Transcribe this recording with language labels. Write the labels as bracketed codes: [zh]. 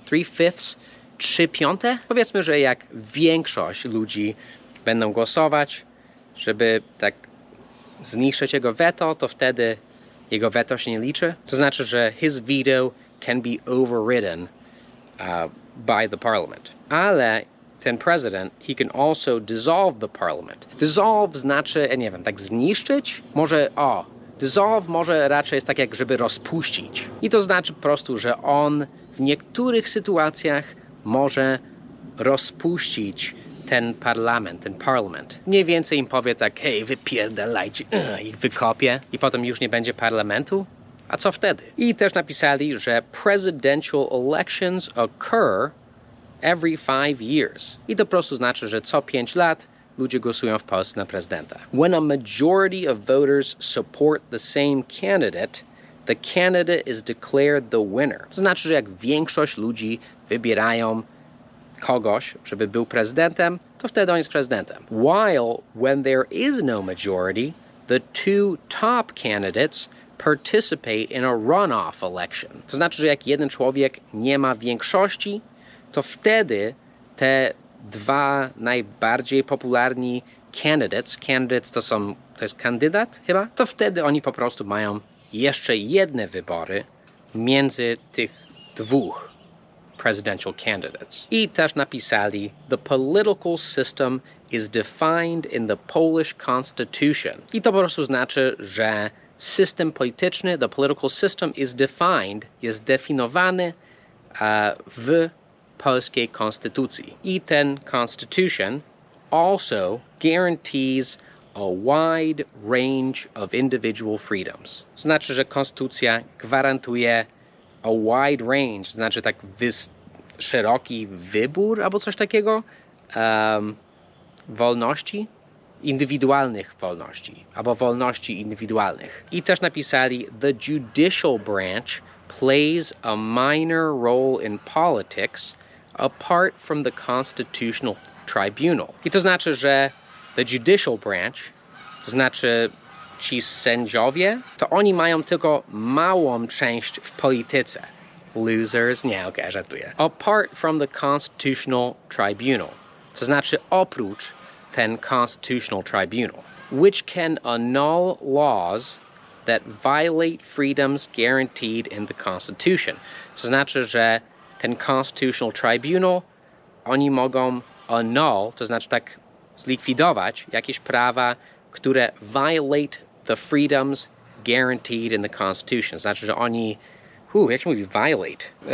[pl] 3/5, 3/5? Powiedzmy, że jak większość ludzi będą głosować, żeby tak zniszczyć jego veto, to wtedy jego weto się nie liczy. To znaczy, że [en] his veto can be overridden by the parliament. [pl] Ale ten [en] president, he can also dissolve the parliament. [pl] Dissolve znaczy, nie wiem, tak zniszczyć? Może, o, dissolve może raczej jest tak, jak żeby rozpuścić. I to znaczy po prostu, że on w niektórych sytuacjach może rozpuścić ten parlament. Mniej więcej im powie tak, hej, wypierdalajcie, i wykopie. I potem już nie będzie parlamentu? A co wtedy? I też napisali, że [en] presidential elections occur every 5 years. [pl] I to po prostu znaczy, że co 5 lat ludzie głosują w Polsce na prezydenta. [en] When a majority of voters support the same candidate, the candidate is declared the winner. [pl] To znaczy, że jak większość ludzi wybierają kogoś, żeby był prezydentem, to wtedy on jest prezydentem. [en] While when there is no majority, the two top candidates participate in a runoff election. [pl] To znaczy, że jak jeden człowiek nie ma większości, to wtedy te dwa najbardziej popularni candidates to jest kandydat chyba, to wtedy oni po prostu mają jeszcze jedne wybory między tych dwóch [en] presidential candidates. [pl] I też napisali, [en] the political system is defined in the Polish constitution. [pl] I to po prostu znaczy, że system polityczny, [en] the political system is defined, [pl] jest definiowany w polskiej konstytucji. I ten [en] constitution also guarantees a wide range of individual freedoms. [pl] Znaczy, że konstytucja gwarantuje [en] a wide range, [pl] znaczy tak szeroki wybór albo coś takiego, wolności, indywidualnych wolności, albo wolności indywidualnych. I też napisali, [en] the judicial branch plays a minor role in politics apart from the constitutional tribunal. [pl] I to znaczy, że [en] the judicial branch, [pl] to znaczy ci sędziowie, to oni mają tylko małą część w polityce. [en] Losers? [pl] Nie, okej, żartuję. [en] Apart from the constitutional tribunal. [pl] To znaczy oprócz ten constitutional tribunal. [en] Which can annul laws that violate freedoms guaranteed in the constitution. [pl] To znaczy, że ten constitutional tribunal, oni mogą annul, to znaczy tak zlikwidować jakieś prawa, które [en] violate the freedoms guaranteed in the constitution. [pl] To znaczy, że oni... jak się mówi violate?